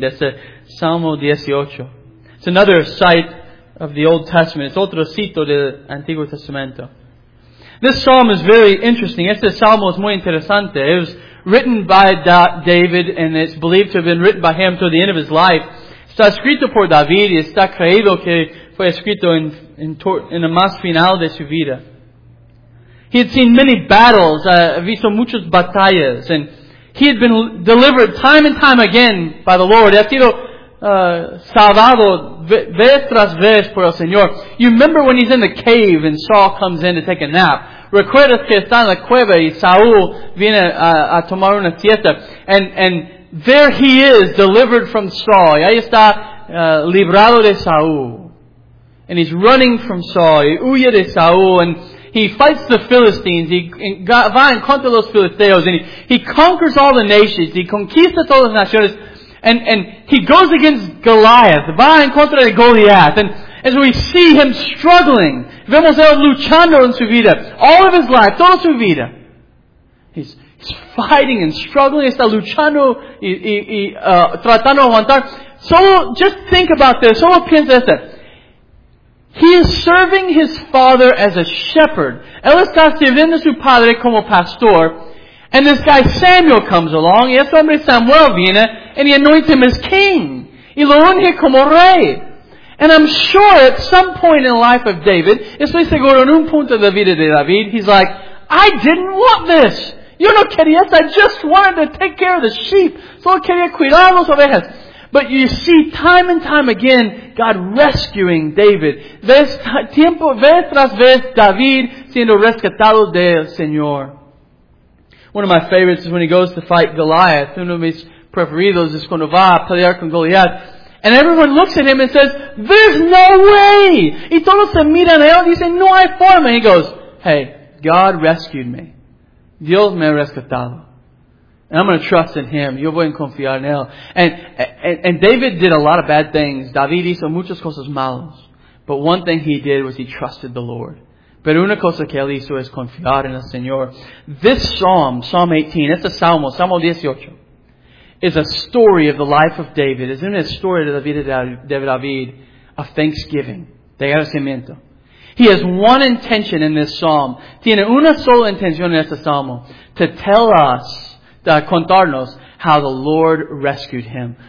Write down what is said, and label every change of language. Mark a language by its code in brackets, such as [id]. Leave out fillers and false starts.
[en] That's a Salmo 18. It's another site of the Old Testament. It's [es] otro sitio del Antiguo Testamento. [en] This psalm is very interesting. [es] Este salmo es muy interesante. [en] It was written by David, and it's believed to have been written by him to the end of his life. [es] Está escrito por David, y está creído que fue escrito en el más final de su vida. [en] He had seen many battles, [es] visto muchas batallas, [en] and he had been delivered time and time again by the Lord. [es] Ha sido salvado vez tras vez por el Señor. [en] You remember when he's in the cave and Saul comes in to take a nap. [es] Recuerdas que está en la cueva y Saul viene a tomar una siesta. [en] And there he is, delivered from Saul. [es] Y ahí está librado de Saul. [en] And he's running from Saul. [es] Y huye de Saul. [en] And he fights the Philistines. [es] Va en contra los filisteos. [en] And he conquers all the nations. [es] He conquista todas las naciones. [en] And he goes against Goliath. [es] Va en contra de Goliath. [en] And as we see him struggling, [es] vemos él luchando en su vida, [en] all of his life, [es] toda su vida. [en] He's fighting and struggling, [es] está luchando tratando de aguantar. [en] Solo, just think about this, [es] solo piensa esto. [en] He is serving his father as a shepherd. [es] Él está sirviendo a su padre como pastor. [en] And this guy Samuel comes along, [es] y este hombre Samuel viene, [en] and he anoints him as king. [es] Y lo unge como rey. [en] And I'm sure at some point in the life of David, [es] estoy seguro en un punto de vida de David, [en] he's like, I didn't want this. [es] Yo no quería esto. [en] I just wanted to take care of the sheep. [es] Solo quería cuidar las ovejas. [en] But you see, time and time again, God rescuing David. [es] Vez tras vez, David siendo rescatado del Señor. [en] One of my favorites is when he goes to fight Goliath. [es] Uno de mis preferidos es cuando va a pelear con Goliath. [en] And everyone looks at him and says, there's no way. [es] Y todos se miran a él y dicen, no hay forma. [en] He goes, hey, God rescued me. [es] Dios me ha rescatado. [en] And I'm going to trust in him. [es] Yo voy a confiar en él. [en] And David did a lot of bad things. [es] David hizo muchas cosas malas. [en] But one thing he did was he trusted the Lord. [es] Pero una cosa que él hizo es confiar en el Señor. [en] This psalm, Psalm 18, it's a salmo, Salmo 18. Is a story of the life of David. Isn't it a story of the [es] vida de David? [en] Of thanksgiving. [es] De agradecimiento. [en] He has one intention in this psalm. [es] Tiene una sola intención en este salmo. [en] To tell us, to contarnos, how the Lord rescued him.